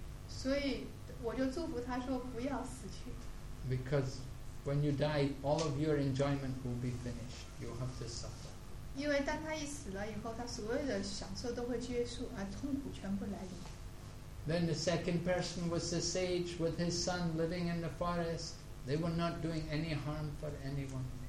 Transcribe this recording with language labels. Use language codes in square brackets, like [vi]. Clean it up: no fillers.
[zh] 所以我就祝福他说不要死去。 [en] Because when you die, all of your enjoyment will be finished. You have to suffer. [zh] 因为当他一死了以后，他所有的享受都会结束，而痛苦全部来临。 [en] Then the second person was the sage with his son living in the forest. They were not doing any harm for anyone.